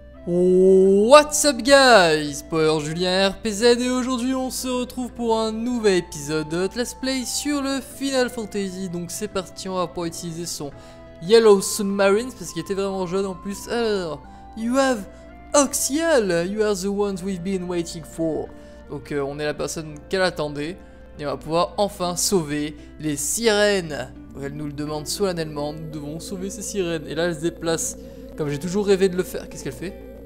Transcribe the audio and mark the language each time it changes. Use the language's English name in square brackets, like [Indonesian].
[English] What's up guys, [French] Power Julien RPZ et aujourd'hui on se retrouve pour un nouvel épisode de Let's Play sur le Final Fantasy. Donc c'est parti, on va pouvoir utiliser son Yellow Submarine parce qu'il était vraiment jeune en plus. [English] Alors, you have Oxiel, you are the ones we've been waiting for. [French] Donc on est la personne qu'elle attendait et on va pouvoir enfin sauver les sirènes. Elle nous le demande solennellement, nous devons sauver ces sirènes. Et là elle se déplace comme j'ai toujours rêvé de le faire. Qu'est-ce qu'elle fait?